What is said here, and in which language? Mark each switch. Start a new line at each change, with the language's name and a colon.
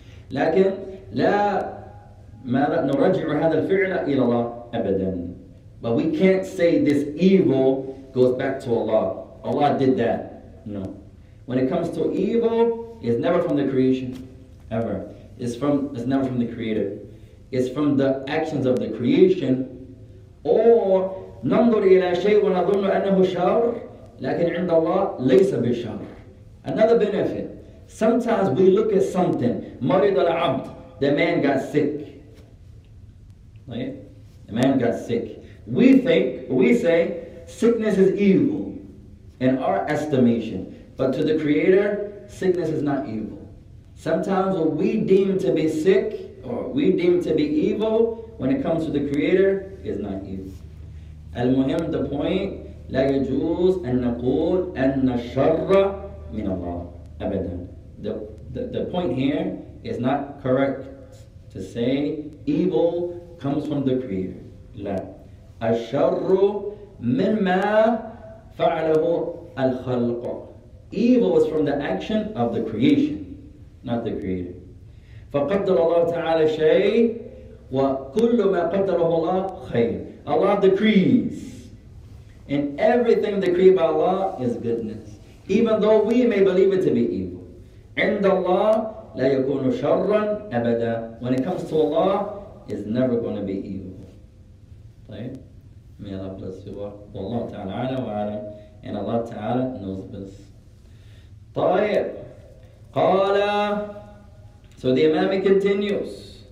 Arabic: لكن لا ما نرجع هذا الفعل إلى الله أبدا.
English: But we can't say this evil goes back to Allah. Allah did that. No. When it comes to evil, it's never from the creation. Ever. It's never from the Creator. It's from the actions of the creation. Or
Arabic: ننظر إلى شيء ونظن أنه شر لكن عند الله ليس بشر.
English: Another benefit. Sometimes we look at something.
Arabic: مريض العبد.
English: The man got sick. Right? The man got sick. We think, we say, sickness is evil. in our estimation. But to the Creator, sickness is not evil. Sometimes what we deem to be sick or we deem to be evil, when it comes to the Creator, is not evil.
Arabic: Al-Muhim,
English: the point,
Arabic: لا يجوز أن نقول أن الشر من الله أبدا.
English: The point here is not correct to say evil comes from the Creator.
Arabic: لا. الشر مما فعله الخلق.
English: Evil is from the action of the creation, not the Creator.
Arabic: فقدر الله تعالى شيء وكل ما قدره الله خير.
English: Allah decrees. And everything decreed by Allah is goodness. Even though we may believe it to be evil.
Arabic: عند الله لا يكون شرا أبدا.
English: When it comes to Allah, it's never going to be evil.
Arabic: طيب.
English: May Allah bless you.
Arabic: والله تعالى على وعلم.
English: And Allah تعالى knows this.
Arabic: طيب. قال.
English: So the Imam continues.